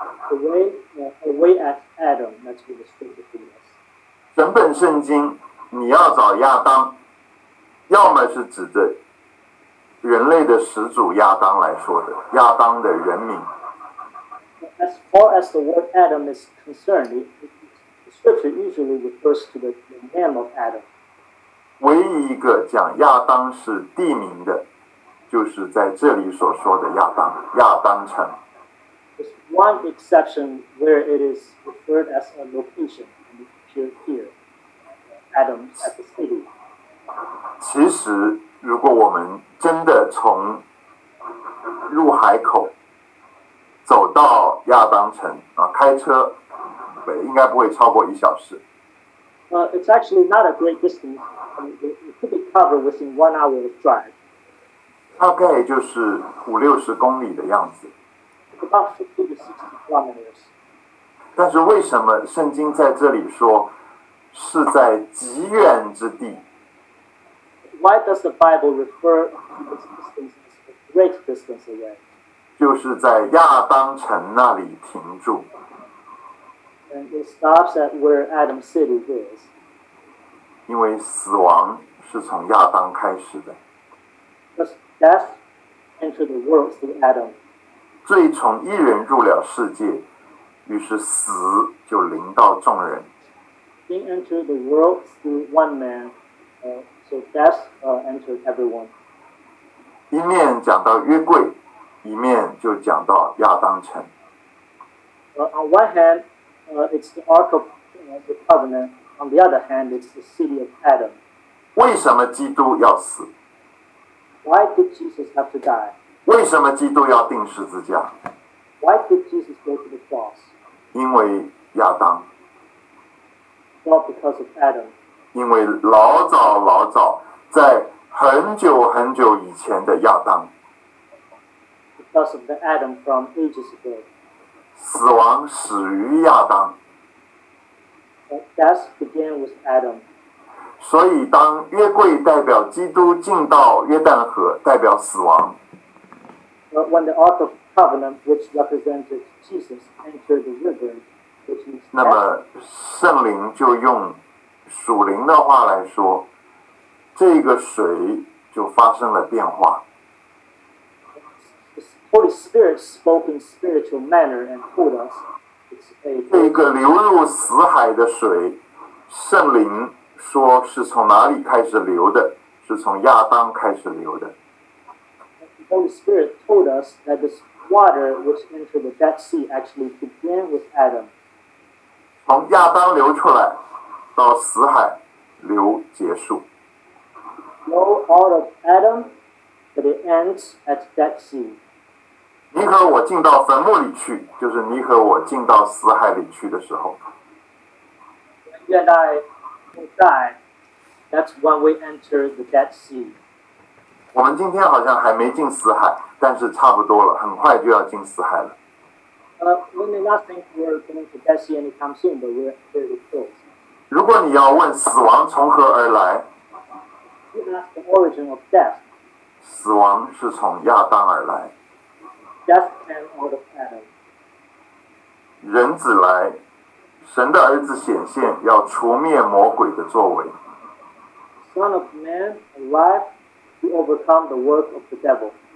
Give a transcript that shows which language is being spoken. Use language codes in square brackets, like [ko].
[en] Away at Adam, that's what the scripture says. [zh] 整本圣经，你要找亚当，要么是指着人类的始祖亚当来说的，亚当的人民。 [en] As far as the word Adam is concerned, the scripture usually refers to the name of Adam. [zh] 唯一一个讲亚当是地名的，就是在这里所说的亚当，亚当城。 [en] There's one exception where it is referred as a location, and it appears here, Adam at the city. [zh] 其实，如果我们真的从入海口走到亚当城啊，开车不应该不会超过一小时。 [en] It's actually not a great distance. It could be covered within 1 hour of drive. [zh] 大概就是五六十公里的样子。 [en] About 50 to 60 kilometers. [zh] 但是为什么圣经在这里说是在极远之地？ [en] Why does the Bible refer to this distance as a great distance away? [zh] 就是在亚当城那里停住。 [en] And it stops at where Adam City is. [zh] 因为死亡是从亚当开始的。 [en] Death entered the world through Adam. [zh] 罪从一人入了世界，于是死就临到众人。 [en] Sin entered the world through one man, so death entered everyone. [zh] 一面讲到约柜，一面就讲到亚当城。 [en] On one hand, it's the Ark of the Covenant. On the other hand, it's the city of Adam. [zh] 为什么基督要死？ [en] Why did Jesus have to die? [zh] 为什么基督要钉十字架？ [en] Why did Jesus go to the cross? [zh] 因为亚当。 [en] Not because of Adam. [zh] 因为老早老早，在很久很久以前的亚当。 [en] Because of the Adam from ages ago. [zh] 死亡始于亚当。 [en] Death began with Adam. [zh] 所以当约柜代表基督进到约旦河代表死亡。 [en] When the Ark of Covenant, which represented Jesus, entered the river, which means death, [zh] 那么圣灵就用属灵的话来说，这个水就发生了变化。 [en] The Holy Spirit spoke in spiritual manner and told us, [zh] 这个流入死海的水，圣灵说是从哪里开始流的？是从亚当开始流的。 [en] The Holy Spirit told us that this water which entered the Dead Sea actually began with Adam. [zh] 从亚当流出来，到死海流结束。 [en] Flow out of Adam, but it ends at Dead Sea. [zh] 你和我进到坟墓里去，就是你和我进到死海里去的时候。 [en] When you and I die, That's when we enter the Dead Sea. [zh] 我们今天好像还没进死海，但是差不多了，很快就要进死海了。 [en] We may not think we're going to Dead Sea anytime soon, but we're pretty close. [zh] 如果你要问死亡从何而来， [en] you can ask the origin of death. [zh] 死亡是从亚当而来。 [en] Death came out of Adam. [zh] 人子来，神的儿子显现，要除灭魔鬼的作为。 [en] Son of man, alive to overcome the work of the devil.